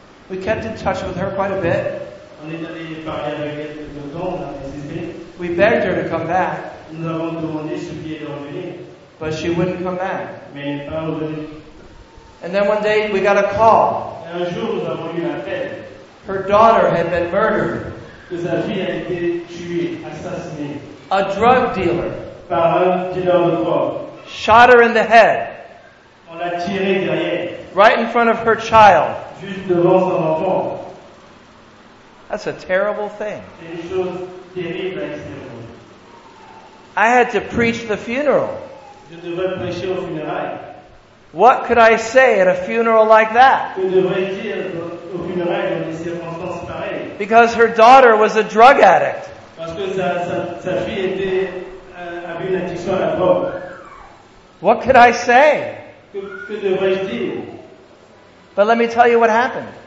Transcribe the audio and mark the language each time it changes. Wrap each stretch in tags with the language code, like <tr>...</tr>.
<en>We kept in touch with her quite a bit.</en> <fr>On est allé parler avec elle de temps, on a insisté.</fr> <en>We begged her to come back.</en> <fr>Nous avons demandé si elle était revenue.</fr> <en>But she wouldn't come back.</en> <fr>Mais elle n'est pas revenue.</fr> <en>And then one day we got a call.</en> <fr>Et un jour, nous avons eu un appel.</fr> <en>Her daughter had been murdered.</en> <fr>Que sa fille a été tuée, assassinée.</fr> <en>A drug dealer.</en> <fr>Par un dealer de drogue.</fr> <en>Shot her in the head.</en> <fr>On l'a tiré derrière.</fr> <en>Right in front of her child.</en> <fr>Juste devant son enfant.</fr> <en>That's a terrible thing.</en> <fr>C'est une chose terrible à expliquer.</fr> <en>I had to preach the funeral.</en> <fr>Je devais prêcher au funérail.</fr> <en>What could I say at a funeral like that?</en> <fr>Que devrais-je dire au funérail dans des circonstances pareilles?</fr> <en>Because her daughter was a drug addict.</en> <fr>Parce que sa fille avait une addiction à la drogue.</fr> <en>What could I say?</en> <fr>Que devrais-je dire?</fr> <en>But let me tell you what happened.</en>